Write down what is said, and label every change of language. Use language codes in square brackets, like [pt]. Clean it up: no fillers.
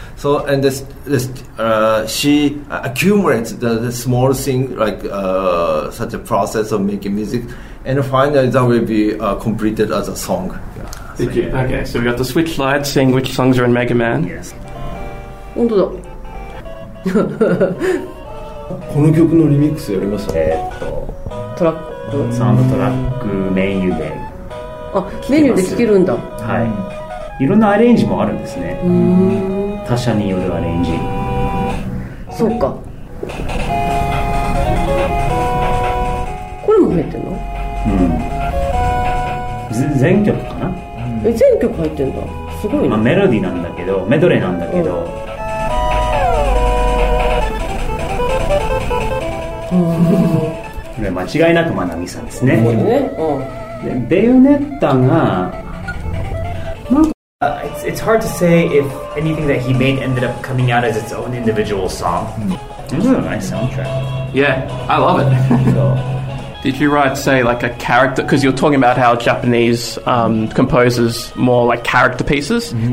[en] So, and she accumulates the small thing like such a process of making music, and finally that will be completed as a song. Okay, so we got the switch slide saying which songs are in Mega Man. Yes. [ja] この曲のリミックスやりました。トラックサウンドトラックメニューで、あ、メニューで聴けるんだ。はい、いろんなアレンジもあるんですね。他社によるアレンジ。そうか、これも入ってんの。全曲かな。全曲入ってんだ、すごい、ね。まあ、メロディーなんだけど、メドレーなんだけど、これ間違いなくマナミさんですね。うん、でベヨネッタが、なんか、 [en] it's hard to say if anything that he made ended up coming out as its own individual song. This is a nice soundtrack. Yeah, I love it. Did you write, say, like a character? Because you're talking about how Japanese composers more like character pieces. Mm-hmm.